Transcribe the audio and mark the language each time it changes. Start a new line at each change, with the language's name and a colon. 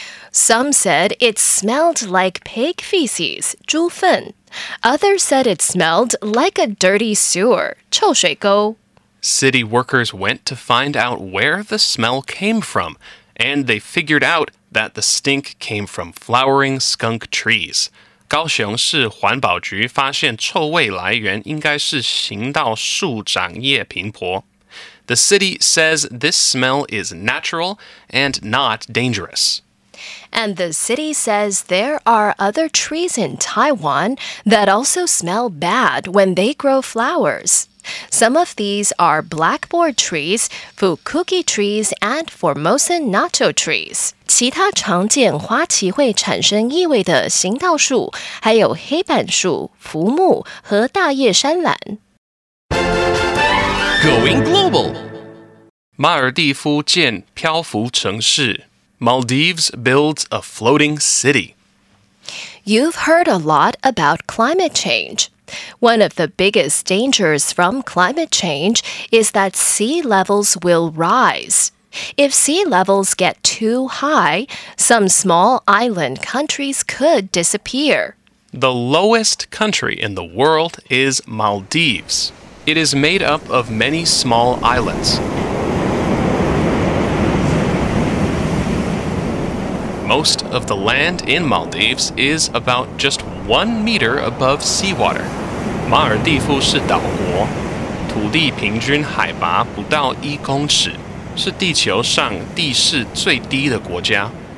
English: Some said it smelled like pig feces, 猪粪. Others said it smelled like a dirty sewer, 臭水沟. City workers went to find out where the smell came from, and they figured out... that the stink came from flowering skunk trees.
Chinese: 高雄市环保局发现臭味来源应该是行道树长叶平婆。
English: The city says this smell is natural and not dangerous. And the city says there are other trees in Taiwan that also smell bad when they grow flowers. Some of these are blackboard trees, fukuki trees, and Formosan nacho trees.
Chinese: 其他常见花期会产生异味的行道树，还有黑板树、浮木和大叶山榄。
English: Going global，
Chinese: 马尔蒂夫建漂浮城市。
English: Maldives builds a floating city. You've heard a lot about climate change. One of the biggest dangers from climate change is that sea levels will rise. If sea levels get too high, some small island countries could disappear. The lowest country in the world is Maldives. It is made up of many small islands. Most of the land in Maldives is about just 1 meter above seawater.
Chinese: 马尔蒂夫是岛国，土地平均海拔不到一公尺，是地球上地势最低的国家。